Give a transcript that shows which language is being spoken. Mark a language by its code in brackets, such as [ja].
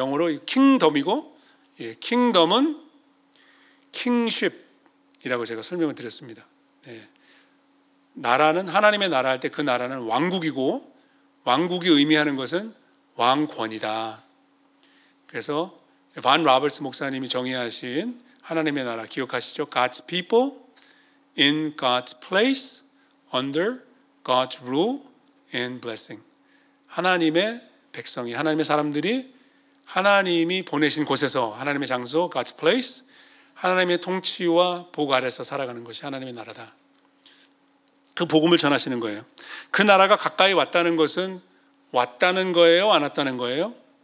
[ko] 영어로 킹덤이고, 예, 킹덤은 킹쉽이라고 제가 설명을 드렸습니다. 예, 나라는 하나님의 나라 할 때 그 나라는 왕국이고, 왕국이 의미하는 것은 왕권이다. 그래서 반 로버츠 목사님이 정의하신 하나님의 나라 기억하시죠? [en] God's people in God's place under God's rule and blessing. [ko] 하나님의 백성이, 하나님의 사람들이 하나님이 보내신 곳에서, 하나님의 장소, God's place, 하나님의 통치와 복 아래서 살아가는 것이 하나님의 나라다. 그 복음을 전하시는 거예요. 그 나라가 가까이 왔다는 것은 왔다는 거예요? 안 왔다는 거예요?